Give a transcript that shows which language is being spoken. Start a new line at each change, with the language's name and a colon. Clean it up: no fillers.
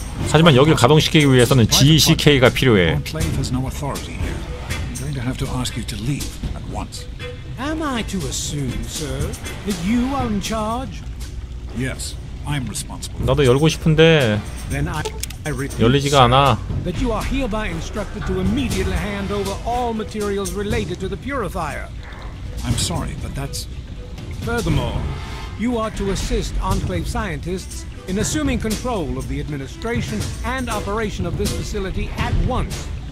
Korean: 하지만 여기를 가동시키기 위해서는 GECK가 필요해.
English: I'm going to have to ask you to leave at once. Am I to assume, sir, that you are in charge? Yes, I'm responsible.
Korean: 나도 열고 싶은데 열리지가 않아.
English: That you are hereby instructed to immediately hand over all materials related to the purifier. I'm sorry, but that's. Furthermore, you are to assist Enclave scientists in assuming control of the administration and operation of this facility at once.